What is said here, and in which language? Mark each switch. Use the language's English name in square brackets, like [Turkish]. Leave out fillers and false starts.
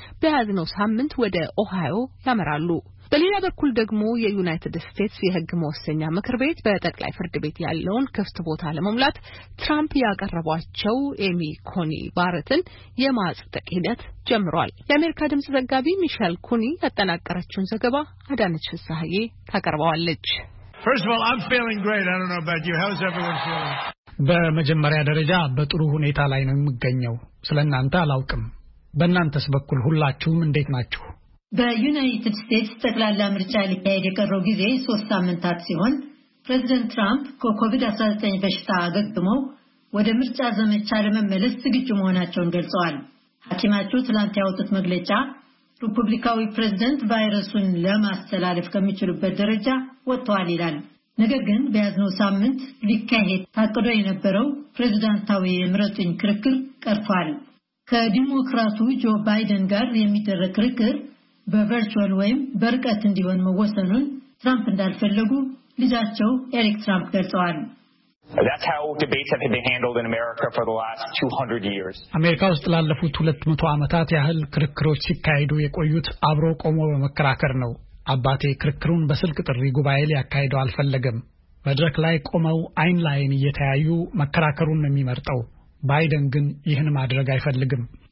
[Amharic] በያዝነው ሳምንት ወደ ኦሃዮ ያመራሉ። በሌላ በኩል ደግሞ የዩናይትድ ስቴትስ የሕግ መወሰኛ ምክር ቤት በጠቅላይ ፍርድ ቤት ያለውን ክፍት ቦታ ለመሙላት ትራምፕ ያቀረቧቸው ኤሚ ኮኒ ባረትን የማጽደቅ ሂደት ጀምሯል። የአሜሪካ ድምጽ ዘጋቢ ሚሼል ኩኒ ያጠናቀረችውን ዘገባ አዳነች ፍስሐዬ ታቀርባለች። [English] First of all, I'm feeling great. I don't know about you. How's everyone feeling? [Amharic] በመጀመሪያ ደረጃ በጥሩ ሁኔታ ላይ ነው የምገኘው። ስለናንተ አላውቅም። በእናንተስ በኩል ሁላችሁም እንዴት ናችሁ? በዩናይትድ ስቴትስ ጠቅላላ ምርጫ ሊካሄድ የቀረው ጊዜ 3 ሳምንታት ሲሆን ፕሬዚደንት ትራምፕ ከኮቪድ-19 በሽታ አገግመው ወደ ምርጫ ዘመቻ ለመመለስ ዝግጁ መሆናቸውን ገልጸዋል። ሐኪማቹ ትላንት ያወጡት መግለጫ ሪፐብሊካዊ ፕሬዚደንት ቫይረሱን ለማስተላለፍ ከመቻሉበት ደረጃ ወጥቷል ይላል። ነገር ግን በያዝነው ሳምንት ሊካሄድ ታቅዶ የነበረው ፕሬዚደንታዊ የምረጡኝ ክርክር ቀርቷል። ከዲሞክራቱ ጆ ባይደን ጋር የሚደረግ ክርክር በቨርቹዋል ወይም በርቀት እንዲሆን መወሰኑን ትራምፕ እንዳልፈለጉ ልጃቸው ኤሪክ ትራምፕ ገልጸዋል። [English] That's how debates have been handled in America for the last 200 years. [Amharic] አሜሪካ ውስጥ ላለፉት 200 ዓመታት ያህል ክርክሮች ሲካሄዱ የቆዩት አብሮ ቆሞ በመከራከር ነው። አባቴ ክርክሩን በስልክ ጥሪ ጉባኤ ሊያካሂደው አልፈለገም። መድረክ ላይ ቆመው አይን ላይን እየተያዩ መከራከሩን ነው የሚመርጠው። ባይደን ግን ይህን ማድረግ አይፈልግም።